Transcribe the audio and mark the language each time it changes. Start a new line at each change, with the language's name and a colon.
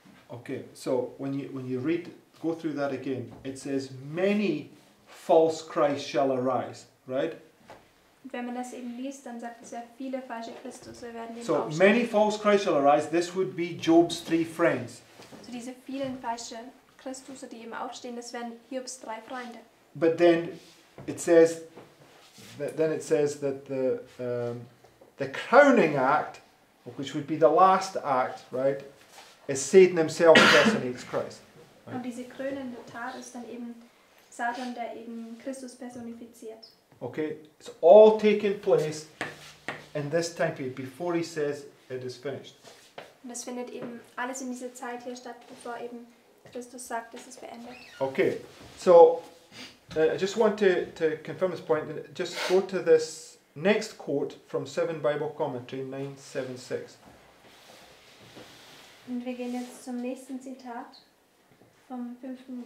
English: Okay, so when you read, go through that again. It says many false Christs shall arise, right?
German: Wenn man das eben liest, dann sagt es ja viele falsche Christus werden.
English: So many false Christs shall arise. This would be Job's three friends.
German: So diese vielen falschen Christus, die eben aufstehen, das wären Hiobs drei Freunde.
English: But then it says that the crowning act, which would be the last act, right, is Satan himself personates Christ. Right?
German: Und diese krönende Tat ist dann eben Satan, der eben Christus personifiziert.
English: Okay, it's all taking place in this time period, before he says it is finished.
German: Und das findet eben alles in dieser Zeit hier statt, bevor eben Christus sagt, es ist beendet.
English: Okay, so I just want to confirm this point. Just go to this next quote from 7 Bible Commentary 976.
German: Und wir gehen jetzt zum nächsten Zitat vom 5.